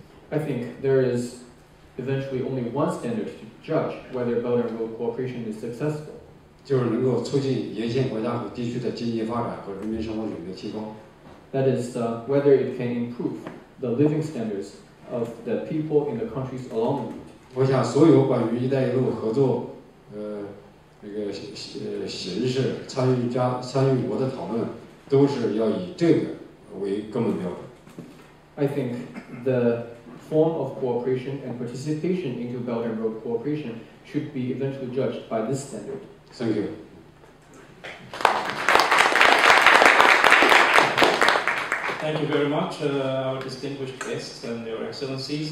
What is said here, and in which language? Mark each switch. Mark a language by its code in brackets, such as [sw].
[en] I think there is eventually only one standard to judge whether Belt and Road cooperation is successful. [zh] 就是能够促进沿线国家和地区的经济发展和人民生活水平的提高。 [en] That is whether it can improve the living standards of the people in the countries along the route. [zh] 我想所有关于“一带一路”合作，这个形式参与国的讨论，都是要以这个为根本标准。 [en] I think the form of cooperation and participation into Belt and Road cooperation should be eventually judged by this standard. Thank you. Thank you very much, our distinguished guests and your excellencies.